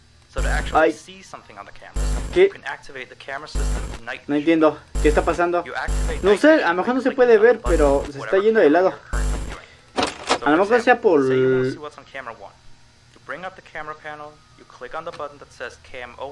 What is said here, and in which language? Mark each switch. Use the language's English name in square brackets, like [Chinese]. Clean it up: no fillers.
[English] So to actually see something on the camera, you can activate the camera system night. [Spanish] No entiendo, ¿qué está pasando? No sé, a lo mejor no se puede ver, pero se está yendo de lado. A lo mejor sea por... [English] You bring up the camera panel, you click on the button that says cam 01.